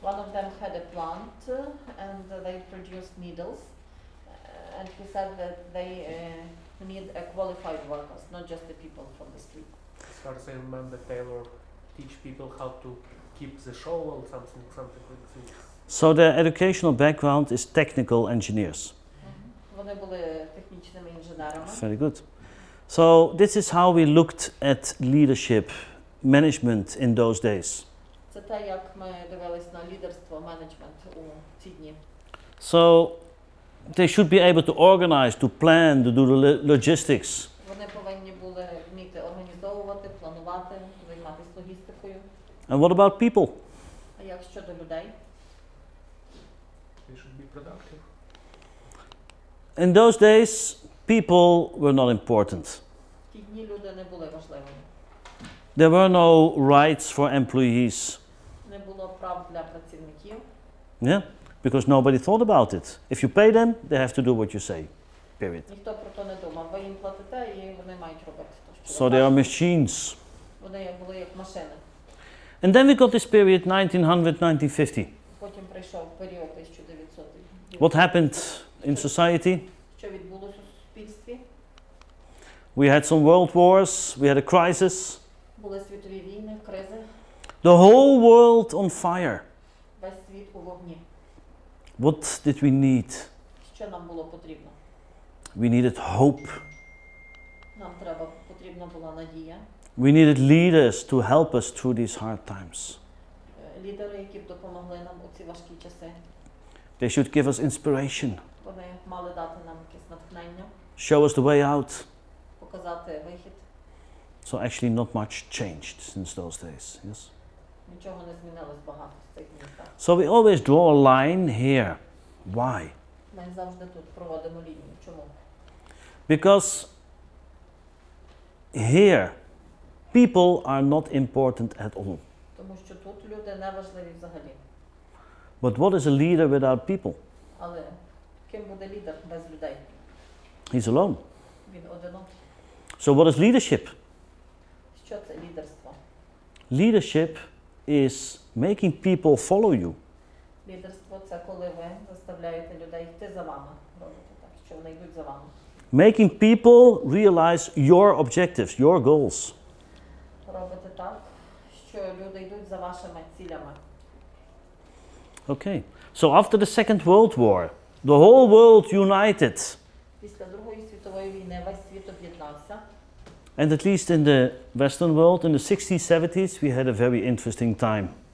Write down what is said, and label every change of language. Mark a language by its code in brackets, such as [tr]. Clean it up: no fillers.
[en] One of them had a plant and they produced needles. And he said that they need a qualified workers, not just the people from the street. As far as I remember, Taylor teach people how to keep the shovel, something like this. So their educational background is technical engineers. [uk] Вони були технічними інженерами. [en] Very good. So this is how we looked at leadership, management in those days. [uk] Це те, як ми дивились на лідерство, менеджмент у ці дні. [en] So they should be able to organize, to plan, to do the logistics. [uk] Вони повинні були вміти організовувати, планувати, займатися логістикою. [en] And what about people? [uk] А як щодо людей? [en] They should be productive. In those days, people were not important. [uk] В ті дні люди не були важливими. [en] There were no rights for employees. [uk] Не було прав для працівників. [en] Yeah. Because nobody thought about it. If you pay them, they have to do what you say. Period. [uk] Ніхто про то не думав. Ви їм платите, і вони мають робити то, що. [en] So they are machines. [uk] Вони були як машини. [en] And then we got this period 1900-1950. [uk] Потім прийшов період 1900. [en] What happened in society? [uk] Що відбулося в суспільстві? [en] We had some world wars, we had a crisis. [uk] Були світові війни, кризи. [en] The whole world on fire. [uk] Весь світ у вогні. [en] What did we need? [uk] Що нам було потрібно? [en] We needed hope. [uk] Нам треба, потрібна була надія. [en] We needed leaders to help us through these hard times. [uk] Лідери, які б допомогли нам у ці важкі часи. [en] They should give us inspiration. [uk] Вони мали дати нам якесь натхнення. [en] Show us the way out. [uk] Показати вихід. [en] So actually not much changed since those days, yes? [uk] Нічого не змінилось багато. [en] So we always draw a line here. Why? [uk] Ми завжди тут проводимо лінію. Чому? [en] Because here people are not important at all. [uk] Тому що тут люди не важливі взагалі. [en] But what is a leader without people? [uk] Але ким буде лідер без людей? [en] He's alone. [uk] Він одинок. [en] So what is leadership? [uk] Що це лідерство? [en] Leadership is making people follow you. [uk] Лідерство це коли ви заставляєте людей йти за вами, робите так, що вони йдуть за вами. [en] Making people realize your objectives, your goals. [uk] Робити так, що люди йдуть за вашими цілями. [en] Okay. So after the Second World War, the whole world united. [uk] Після Другої світової війни весь світ об'єднався. [en] And at least in the Western world, in the 60s, 70s, we had a very interesting time.